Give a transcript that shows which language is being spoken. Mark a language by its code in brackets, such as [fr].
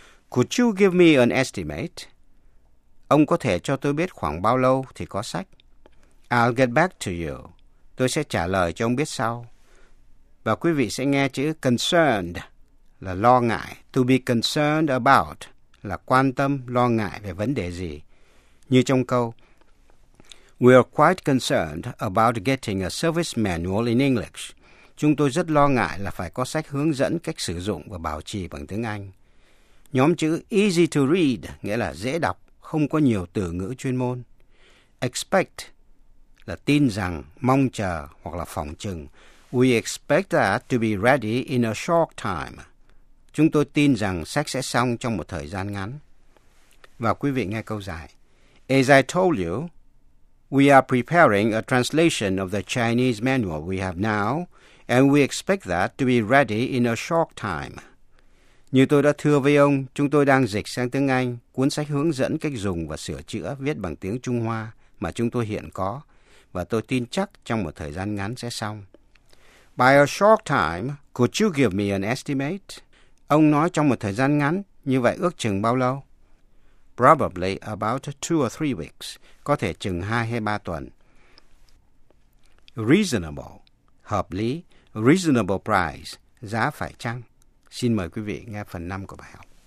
[en] Could you give me an estimate? [vi] Ông có thể cho tôi biết khoảng bao lâu thì có sách? [en] I'll get back to you. [vi] Tôi sẽ trả lời cho ông biết sau. Và quý vị sẽ nghe chữ concerned, là lo ngại. [en] To be concerned about, [vi] là quan tâm, lo ngại về vấn đề gì. Như trong câu, [en] We are quite concerned about getting a service manual in English. [vi] Chúng tôi rất lo ngại là phải có sách hướng dẫn cách sử dụng và bảo trì bằng tiếng Anh. Nhóm chữ [en] easy to read, [vi] nghĩa là dễ đọc, không có nhiều từ ngữ chuyên môn. Expect là tin rằng, mong chờ hoặc là phỏng chừng. [en] We expect that to be ready in a short time. [vi] Chúng tôi tin rằng sách sẽ xong trong một thời gian ngắn. Và quý vị nghe câu dài. [en] As I told you, we are preparing a translation of the Chinese manual we have now, and we expect that to be ready in a short time. [vi] Như tôi đã thưa với ông, chúng tôi đang dịch sang tiếng Anh cuốn sách hướng dẫn cách dùng và sửa chữa viết bằng tiếng Trung Hoa mà chúng tôi hiện có, và tôi tin chắc trong một thời gian ngắn sẽ xong. [en] By a short time, could you give me an estimate? [vi] Ông nói trong một thời gian ngắn, như vậy ước chừng bao lâu? [en] Probably about 2 or 3 weeks, [vi] có thể chừng 2 hay 3 tuần. Reasonable, hợp lý, [en] reasonable price, [vi] giá phải chăng? Xin mời quý vị nghe phần 5 của bài học.